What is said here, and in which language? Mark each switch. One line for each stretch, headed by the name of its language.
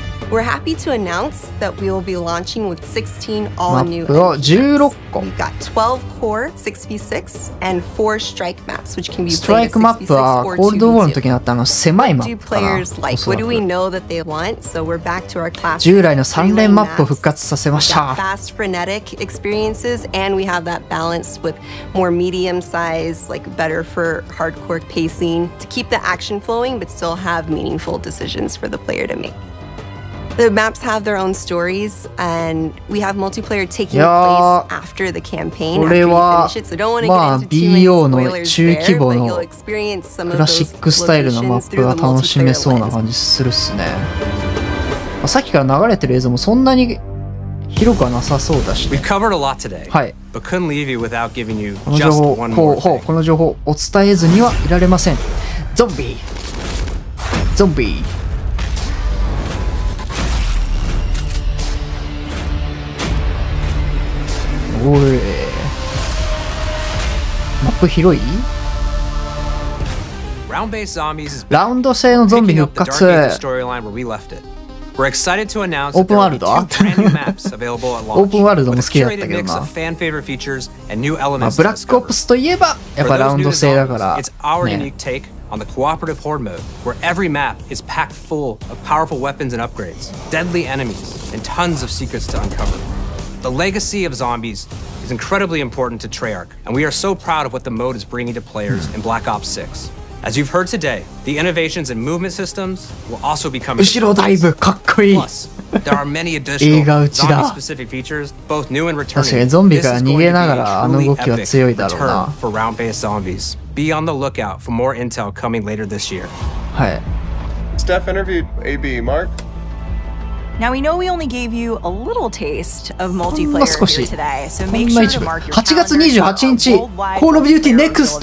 English: We're happy to announce that we will be launching with 16 all-new maps. We've got 12 core 6v6 and 4 strike maps, which can be played at 6v6 or 2v2. What do players like? What do we know that they want? So we're back to our classic
Japanese: 従来の3連マップを復活させました。
English: We've got fast, frenetic experiences, and we have that balance with more medium size, like better for hardcore pacing, to keep the action flowing, but still have meaningful decisions for the player to make. The maps have their own stories, and we have multiplayer taking place after the campaign. After you finish it, so don't want to get into too many spoilers there, but you'll experience some of those locations through the multiplayer lens.
Japanese: さっきから流れてる映像もそんなに広くはなさそうだし、ね。
English: We've covered a lot today, but couldn't leave you without giving you just one more thing.
Japanese: この情報お伝えずにはいられません。ゾンビ。ごい。マップ広い？ラウンド制のゾンビ復活。オープンワールド？オープンワールドも好きだったけどな。まあ、ブラックオプスといえばやっぱラウンド制だからね。
English: On the cooperative horde mode, where every map is packed full of powerful weapons and upgrades, deadly enemies, and tons of secrets to uncover. The legacy of zombies is incredibly important to Treyarch, and we are so proud of what the mode is bringing to players in Black Ops 6. As you've heard today, the innovations in movement systems will also be coming.
Japanese: 後ろダイブかっこいい。
English: Plus, there are many additional zombie-specific features, both new and returning.
Japanese: 確かにゾンビから逃げながらあの動きは強いだろうな。
English: For round-based zombies. Be on the lookout for more intel coming later this year. Hi. Steph interviewed AB Mark. Now we know we only gave you a little taste of multiplayer here today, so make sure to mark your calendar for worldwide Call of Duty Next